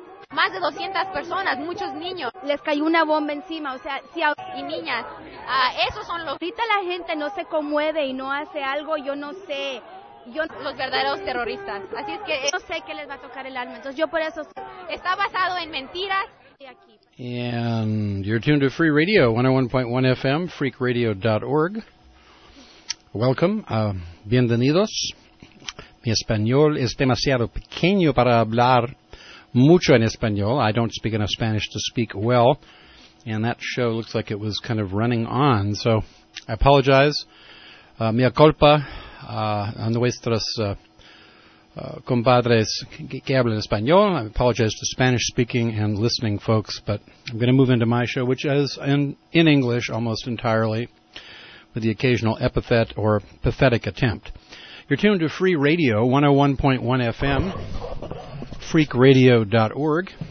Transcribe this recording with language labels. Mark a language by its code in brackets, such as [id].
[es] más de 200 personas, muchos niños, les cayó una bomba encima, o sea, si a... y niñas, esos son los. Ahorita la gente no se conmueve y no hace algo, yo no sé, yo los verdaderos terroristas, así es que no sé qué les va a tocar el alma, entonces yo por eso está basado en mentiras. [en] And you're tuned to Free Radio 101.1 FM, freakradio.org. Welcome, [es] bienvenidos. Mi español es demasiado pequeño para hablar mucho en español. [en] I don't speak enough Spanish to speak well. And that show looks like it was kind of running on. So I apologize. [es] Mia culpa a nuestros compadres que hablan español. [en] I apologize to Spanish-speaking and listening folks. But I'm going to move into my show, which is in English almost entirely. With the occasional epithet or pathetic attempt. You're tuned to Free Radio, 101.1 FM, freakradio.org.